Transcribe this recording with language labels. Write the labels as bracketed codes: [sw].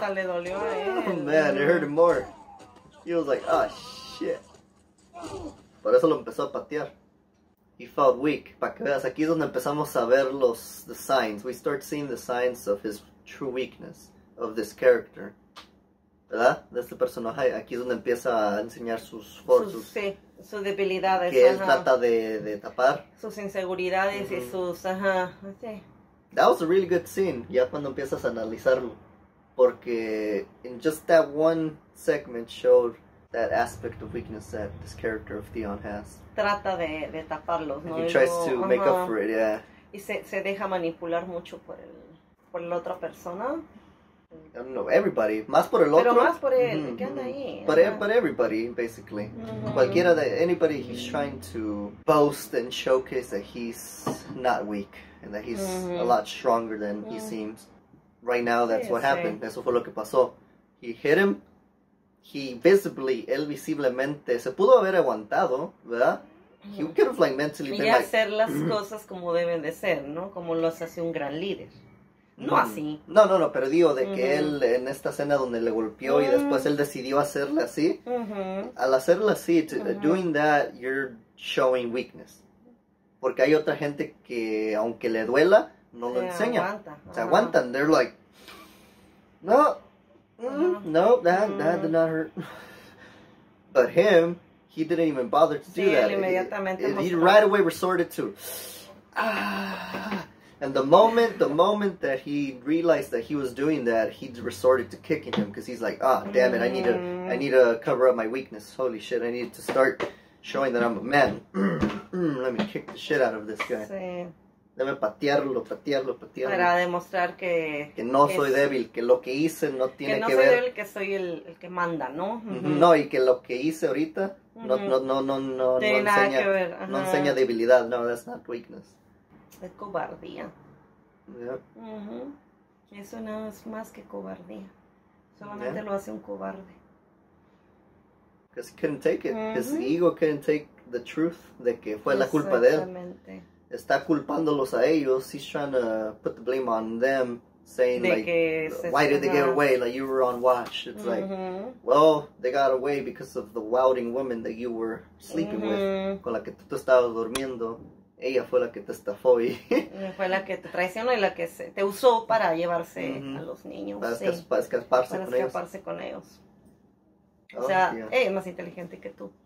[en] Oh man, it hurt him more. He was like, oh shit. [es] Por eso lo empezó a patear. [en] He felt weak. [es] Pa' que veas, aquí es donde empezamos a ver [en] the signs. We start seeing the signs of his true weakness, of this character. [es] ¿Verdad? De este personaje, aquí es donde empieza a enseñar sus fortes. Sí, sus debilidades. Que él trata de tapar. Sus inseguridades y sus, ajá, sí. [en] That was a really good scene, [es] ya cuando empiezas a analizarlo. [en] Porque in just that one segment showed that aspect of weakness that this character of Theon has. [es] Trata de taparlos, ¿no? [en] He tries to make up for it, yeah. [es] Y se deja manipular mucho por la otra persona. [en] I don't know, everybody. [es] Más por el pero otro. Pero más por él, mm-hmm. ¿Qué anda ahí? [en] But, but everybody, basically. Mm-hmm. [es] Cualquiera de, [en] anybody, he's trying to boast and showcase that he's not weak. And that he's a lot stronger than he seems. Right now, that's what happened. [es] Eso fue lo que pasó. [en] He hit him. He visibly, [es] él visiblemente, se pudo haber aguantado, ¿verdad? [en] He could have, like, mentally been [es] y [en] like... [es] Y hacer las cosas como deben de ser, ¿no? Como los hace un gran líder. No así. No, pero digo de que él, en esta escena donde le golpeó y después él decidió hacerle así. Al hacerle así, [en] doing that, you're showing weakness. [es] Porque hay otra gente que, aunque le duela, no lo enseña. Se aguanta. Se aguantan, [en] they're like... No... No, that did not hurt. But him, he didn't even bother to do that. He right away resorted to. And the moment that he realized that he was doing that, he resorted to kicking him because he's like, damn it, I need to cover up my weakness. Holy shit, I need to start showing that I'm a man. Let me kick the shit out of this guy. [es] Sí. Debe patearlo. Para demostrar que... Que no que soy débil, que lo que hice no tiene que ver... Que no soy débil, que soy el que manda, ¿no? No, y que lo que hice ahorita no tiene no enseña, nada que ver. No enseña debilidad, no, [en] that's not weakness. [es] Es cobardía. [en] Yeah. [es] Eso no es más que cobardía. Solamente lo hace un cobarde. [en] Because he couldn't take it. Mm-hmm. His ego couldn't take the truth [es] de que fue la culpa de él. Exactamente. Está culpándolos a ellos. [en] He's trying to put the blame on them, saying [es] de [en] like, why did they get away? Like, you were on watch. It's like, well, they got away because of the wilding woman that you were sleeping with. [es] Con la que tú estabas durmiendo. Ella fue la que te estafó y... fue la que te traicionó y la que se, te usó para llevarse a los niños. Para, sí. Para escaparse, para escaparse con ellos. O sea, ella es más inteligente que tú.